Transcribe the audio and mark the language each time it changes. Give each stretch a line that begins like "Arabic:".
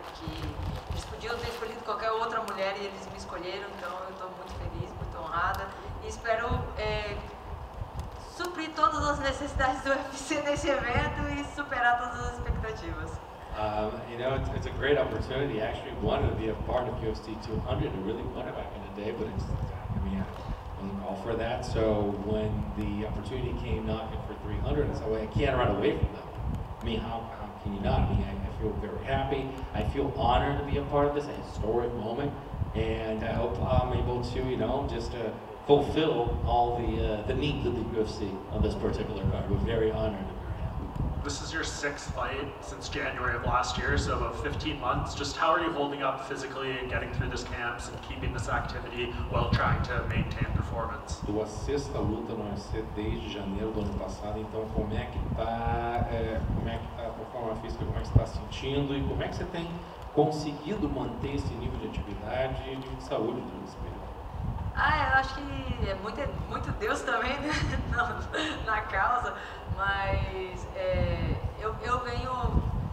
Portuguese: Porque eles podiam ter escolhido qualquer outra mulher e eles me escolheram. Então eu estou muito feliz, muito honrada e espero suprir todas as necessidades do UFC nesse evento e superar todas as expectativas.
English: You know, it's a great opportunity. I actually wanted to be a part of UFC 200. I really wanted back in the day, but it's, I mean, I wasn't called for that. So when the opportunity came knocking for 300, I said, well, I can't run away from that. I mean, how can you not? I mean, I feel very happy. I feel honored to be a part of this, a historic moment. And I hope I'm able to, you know, just to fulfill all the needs of the UFC on this particular card. We're very honored. This is your sixth fight since January of last year, so about 15 months. Just how are you holding up physically and getting through this camp and keeping this activity while trying to maintain performance?
Portuguese: Tua sexta luta no UFC desde janeiro do ano passado, então como é que tá a tua forma física, como é que você tá sentindo e como é que você tem conseguido manter esse nível de atividade e de saúde do espelho? Ah, eu acho que é muito Deus também, né? na causa, mas eu venho...